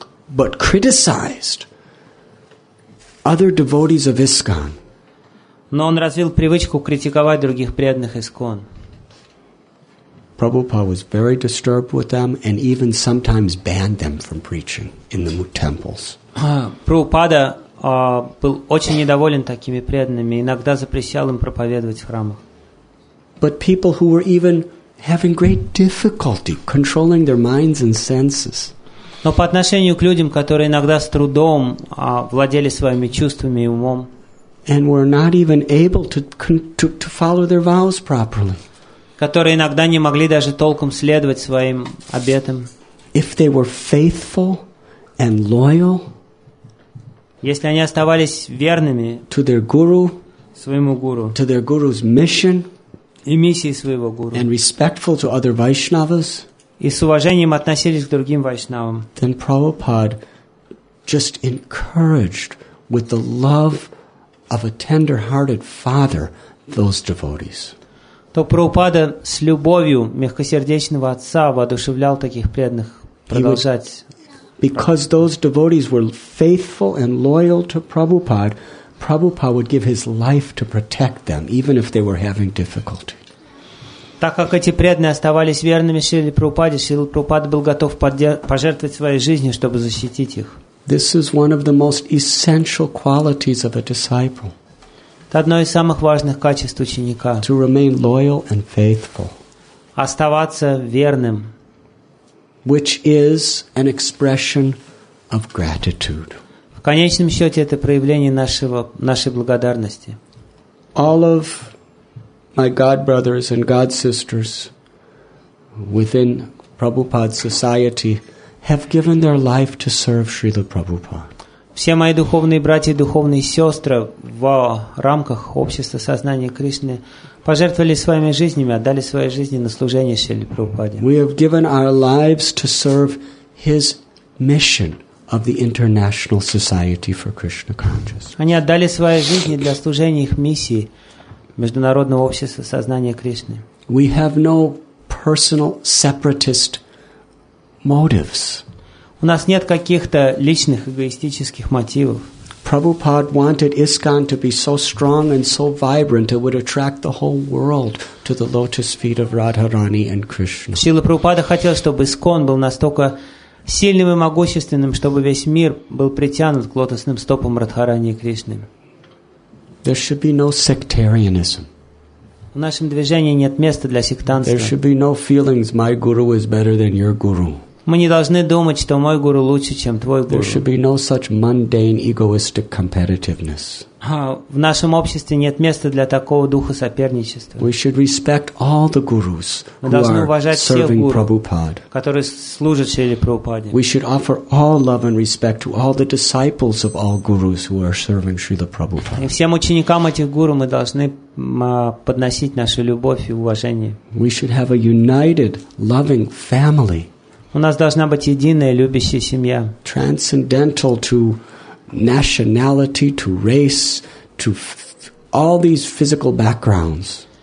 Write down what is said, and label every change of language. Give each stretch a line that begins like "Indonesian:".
English: But criticized other devotees of ISKCON.
Russian: Но он развил привычку критиковать других преданных ИСККОН.
English: Prabhupada was very disturbed with them and even sometimes banned them from preaching in the temples.
Russian: Prabhupada был очень недоволен такими преданными, иногда запрещал им проповедовать в храмах.
English: But people who were even having great difficulty controlling their minds and senses.
Russian: Но по отношению к людям, которые иногда с трудом владели своими чувствами и умом,
English: and were not even able to follow their vows properly.
Russian: Которые иногда не могли даже толком следовать своим обетам.
English: If they were faithful and loyal,
Russian: если они оставались верными
English: to their guru,
Russian: своему гуру,
English: to their guru's mission,
Russian: и миссии своего гуру,
English: and respectful to other Vaishnavas,
Russian: и с уважением относились к другим вайшнавам,
English: then Prabhupada just encouraged with the love of a tender-hearted father those devotees.
Russian: То Прабхупада с любовью мягкосердечного отца воодушевлял таких преданных продолжать.
English: Because those devotees were faithful and loyal to Prabhupada, Prabhupada would give his life to protect them, even if they were having difficulty.
Russian: Так как эти преданные оставались верными Шриле Прабхупаде, Шрила Прабхупада был готов пожертвовать своей жизнью, чтобы защитить их.
English: This is one of the most essential qualities of a disciple.
Russian: Это одно из самых важных качеств ученика.
English: To remain loyal and faithful.
Russian: Оставаться верным.
English: Which is an expression of gratitude.
Russian: В конечном счете это проявление нашей благодарности.
English: All of my God brothers and God sisters within Prabhupada's society have given their life to serve Srila Prabhupada.
Russian: Все мои духовные братья и духовные сестры в рамках общества сознания Кришны пожертвовали своими жизнями, отдали свои жизни на служение Шриле Прабхупаде.
English: We have given our lives to serve his mission of the International Society for Krishna Consciousness.
Russian: Они отдали свои жизни для служения их миссии Международного общества сознания Кришны.
English: We have no personal separatist motives.
Russian: У нас нет каких-то личных эгоистических мотивов.
English: Prabhupada wanted ISKCON to be so strong and so vibrant it would attract the whole world to the lotus feet of Radharani and Krishna.
Russian: Шрила Прабхупада хотел, чтобы ИСККОН был настолько сильным и могущественным, чтобы весь мир был притянут к лотосным стопам Радхарани и Кришны.
English: There should be no sectarianism.
Russian: В нашем движении нет места для сектантства.
English: There should be no feelings my guru is better than your guru.
Russian: Мы не должны думать, что мой гуру лучше, чем твой гуру.
English: There should be no such mundane egoistic competitiveness.
Russian: В нашем обществе нет места для такого духа соперничества.
English: We should respect all the gurus who are serving Prabhupada.
Russian: Которые служат Шриле Прабхупаде.
English: We should offer all love and respect to all the disciples of all gurus who are serving Шриле Прабхупаде.
Russian: И всем ученикам этих гуру мы должны подносить нашу любовь и уважение.
English: We should have a united, loving family.
Russian: У нас должна быть единая любящая семья.
English: Transcendental to nationality, to race, to all these physical backgrounds.